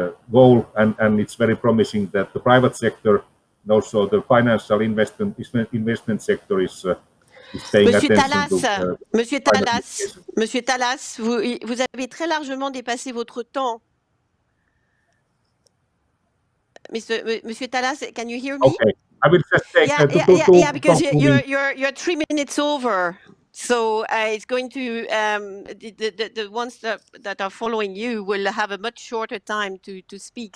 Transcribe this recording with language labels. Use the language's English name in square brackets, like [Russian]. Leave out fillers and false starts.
[English] goal, and it's very promising that the private sector and also the financial investment sector is paying attention to Monsieur Talas, [French] vous avez très largement dépassé votre temps. [English] Monsieur Talas, can you hear me? Okay, I will just take because you're 3 minutes over. So it's going to the ones that are following you will have a much shorter time to speak.